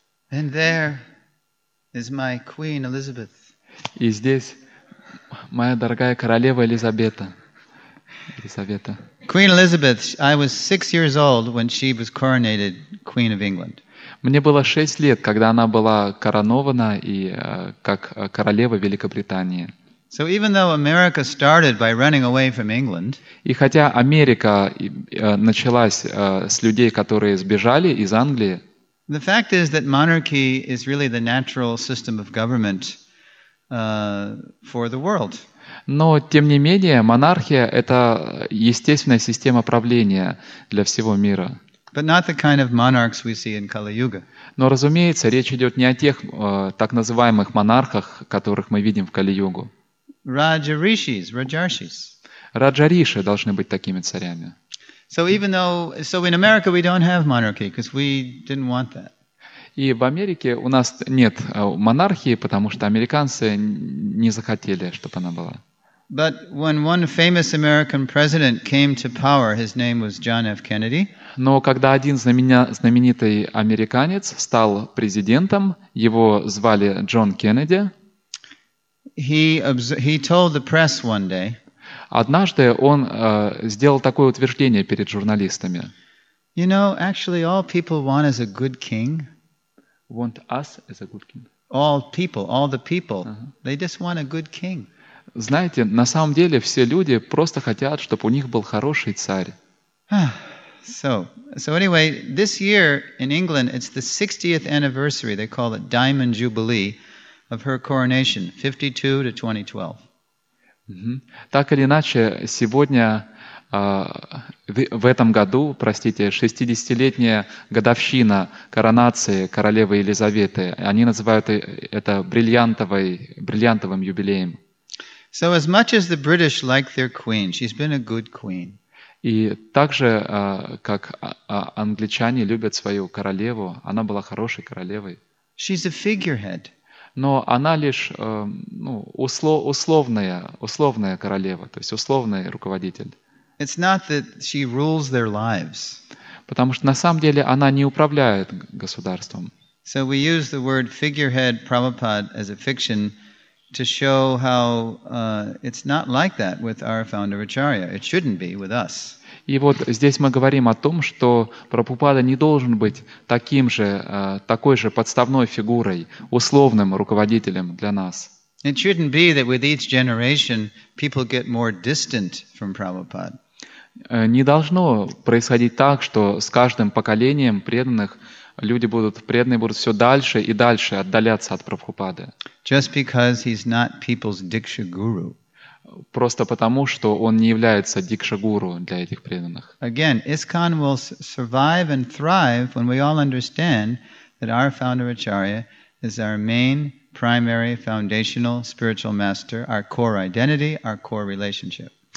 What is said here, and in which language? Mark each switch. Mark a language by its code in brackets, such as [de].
[en] And there is my Queen Elizabeth. [ru] И здесь моя дорогая королева Елизавета. [en] Queen Elizabeth, I was 6 years old when she was coronated Queen of England. [ru] Мне было 6 лет, когда она была коронована и как королева Великобритании. [en] So even though America started by running away from England, [ru] и хотя Америка началась с людей, которые сбежали из Англии, [en] the fact is that monarchy is really the natural system of government. For the world. [ru] Но тем не менее монархия — это естественная система правления для всего мира. [en] But not the kind of monarchs we see in Kali-Yuga. [ru] Но, разумеется, речь идет не о тех так называемых монархах, которых мы видим в Кали-Югу. Раджаришис, Раджаршис. Раджариши должны быть такими царями. [en] So even though, so in America we don't have monarchy, because we didn't want that. [ru] И в Америке у нас нет монархии, потому что американцы не захотели, чтобы она была. [en] But when one famous American president came to power, his name was John F. Kennedy. [ru] Но когда один знаменитый американец стал президентом, его звали Джон Кеннеди. [en] He told the press one day. [ru] Однажды он сделал такое утверждение перед журналистами. [en] You know, actually, all people want is a good king. Want us as a good king. All people, all the people, they just want a good king. [ru] Знаете, на самом деле все люди просто хотят, чтобы у них был хороший царь. [en] So anyway, this year in England it's the 60th anniversary, they call it Diamond Jubilee, of her coronation, 52-2012. Mm-hmm. [ru] Так или иначе, сегодня, в этом году, простите, 60-летняя годовщина коронации королевы Елизаветы. Они называют это бриллиантовым юбилеем. [en] So as much as the British like their queen, she's been a good queen. [ru] И также, как англичане любят свою королеву, она была хорошей королевой. [en] She's a figurehead. [ru] Но она лишь условная королева, то есть условный руководитель. [en] It's not that she rules their lives. [ru] Потому что на самом деле она не управляет государством. [en] So we use the word figurehead Prabhupada as a fiction to show how it's not like that with our founder Acharya. It shouldn't be with us. [ru] И вот здесь мы говорим о том, что Прабхупада не должен быть таким же, такой же подставной фигурой, условным руководителем для нас. [en] It shouldn't be that with each generation people get more distant from Prabhupada. [ru] Не должно происходить так, что с каждым поколением преданных преданные будут все дальше и дальше отдаляться от Прабхупады. [en] Just because he's not people's diksha guru. [ru] Просто потому, что он не является дикша-гуру для этих преданных. [en] Again, ISKCON will survive and thrive when we all understand that our founder Acharya is our main, primary, foundational spiritual master, our core identity, our core relationship.